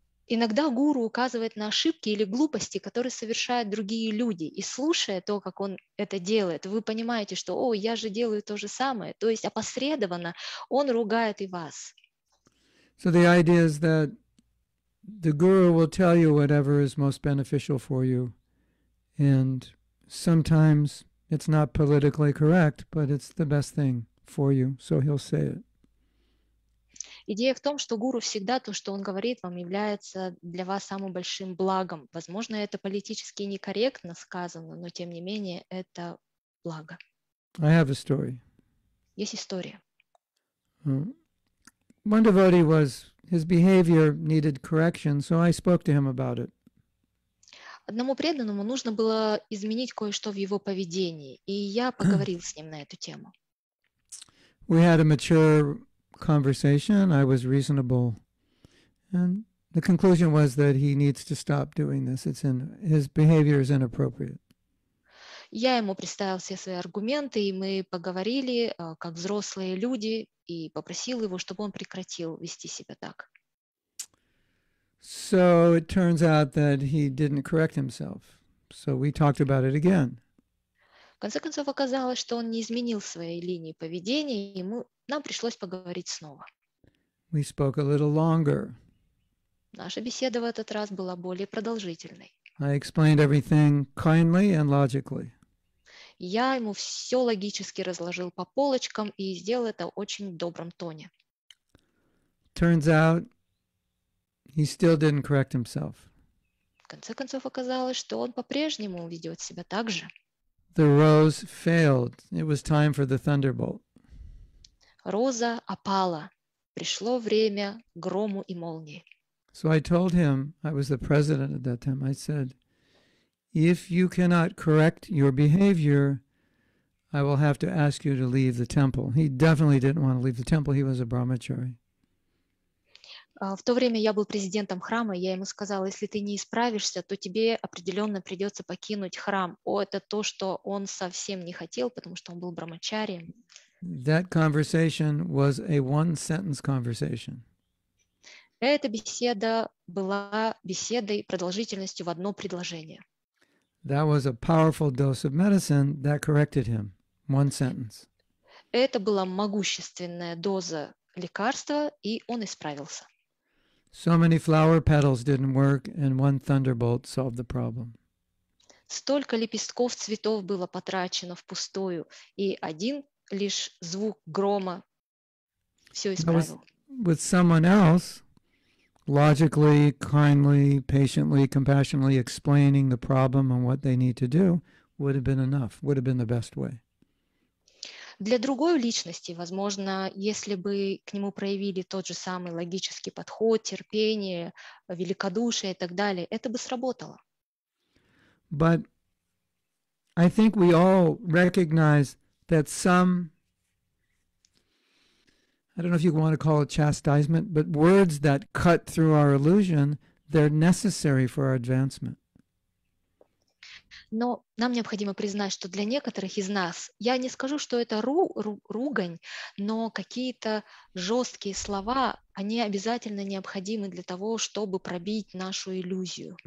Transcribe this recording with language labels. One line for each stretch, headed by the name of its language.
Russian: Иногда гуру указывает на ошибки или глупости, которые совершают другие люди. И слушая то, как он это делает, вы понимаете, что «О, я же делаю то же самое». То есть опосредованно он ругает и вас.
English: So the idea is that the guru will tell you whatever is most beneficial for you. And sometimes it's not politically correct, but it's the best thing for you, so he'll say it.
Russian: Идея в том, что гуру всегда то, что он говорит вам, является для вас самым большим благом. Возможно, это политически некорректно сказано, но тем не менее это благо.
English: I have a story.
Russian: Есть история.
English: One devotee was, his behavior needed correction, so I spoke to him about it.
Russian: Одному преданному нужно было изменить кое-что в его поведении, и я поговорил с ним на эту тему.
English: We had a mature conversation, I was reasonable. And the conclusion was that he needs to stop doing this. His behavior is inappropriate.
Russian: Я ему представил все свои аргументы, и мы поговорили, как взрослые люди, и попросил его, чтобы он прекратил вести себя так.
English: So it turns out that he didn't correct himself. So we talked about it again.
Russian: В конце концов, оказалось, что он не изменил своей линии поведения, и нам пришлось поговорить снова.
English: We spoke a little longer.
Russian: Наша беседа в этот раз была более продолжительной.
English: I explained everything kindly and logically.
Russian: Я ему все логически разложил по полочкам и сделал это в очень добром тоне.
English: Turns out, he still didn't correct himself.
Russian: В конце концов, оказалось, что он по-прежнему ведет себя так же.
English: The rose failed. It was time for the thunderbolt.
Russian: Роза опала. Пришло время грому и молнии.
English: So I told him, I was the president at that time, I said, if you cannot correct your behavior, I will have to ask you to leave the temple. He definitely didn't want to leave the temple. He was a brahmachari.
Russian: В то время я был президентом храма, и я ему сказал, если ты не исправишься, то тебе определенно придется покинуть храм. О, это то, что он совсем не хотел, потому что он был брахмачарием.
English: That conversation was a one-sentence conversation.
Russian: Эта беседа была беседой продолжительностью в одно предложение.
English: That was a powerful dose of medicine that corrected him. One sentence.
Russian: Это была могущественная доза лекарства, и он исправился.
English: So many flower petals didn't work, and one thunderbolt solved the problem.
Russian: Столько лепестков цветов было потрачено впустую, и один лишь звук грома все исправил.
English: With someone else, logically, kindly, patiently, compassionately explaining the problem and what they need to do would have been enough, would have been the best way.
Russian: Для другой личности, возможно, если бы к нему проявили тот же самый логический подход, терпение, великодушие и так далее, это бы сработало.
English: But I think we all recognize that some, I don't know if you want to call it chastisement, but words that cut through our illusion, they're necessary for our advancement.
Russian: Но нам необходимо признать, что для некоторых из нас, я не скажу, что это ругань, но какие-то жесткие слова, они обязательно необходимы для того, чтобы пробить нашу иллюзию.